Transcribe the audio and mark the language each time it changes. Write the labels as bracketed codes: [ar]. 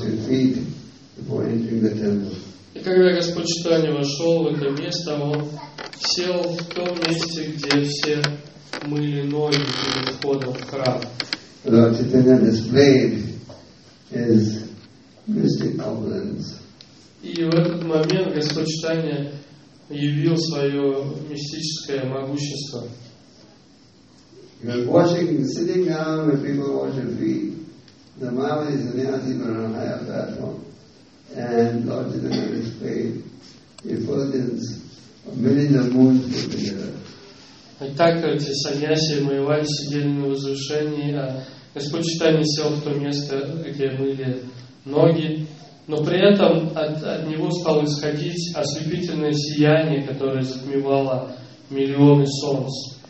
[ru] И когда Господь Чайтанья вошел в это место, он сел в том месте, где все мыли ноги перед входом в храм. [en] Lord Chaitanya displayed his mystic opulence. [ru] И в этот момент Господь Чайтанья явил свое мистическое могущество. [en] He was washing, sitting down with people washing feet. The Mahavadis and the Adhima are on a higher platform. And Lord Chaitanya displayed effulgence. [ru] И так эти саньяси и майвади сидели на возвышении, а Господь Чайтанья сел в то место, где мыли ноги, но при этом от него стало исходить ослепительное сияние, которое затмевало миллионы солнц